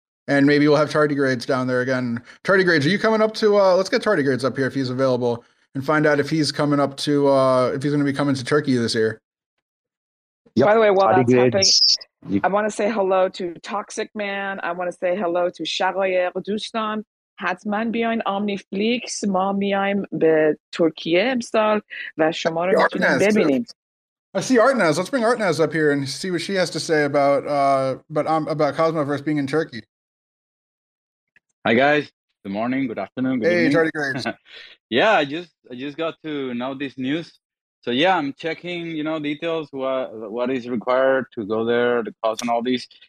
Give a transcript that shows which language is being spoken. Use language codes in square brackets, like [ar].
[en] And maybe we'll have Tardigrades down there again. Tardigrades, are you coming up to let's get Tardigrades up here if he's available and find out if he's coming up to if he's gonna be coming to Turkey this year. Yep. By the way, while Tardigrades, that's happening, I wanna say hello to Toxic Man. I wanna say hello to Charoyer Dustan. [fa] حتما من بیاین OmniFlix ما میایم به ترکیه امسال و شما رو میتونیم ببینیم. [en] I see Artnaz. Let's bring Artnaz up here and see what she has to say about Cosmoverse being in Turkey. Hi guys. Good morning. Good afternoon. Good evening. Hey, Charlie Graves. Yeah, I just got to know this news. So yeah, I'm checking, details what is required to go there, the cost and all these.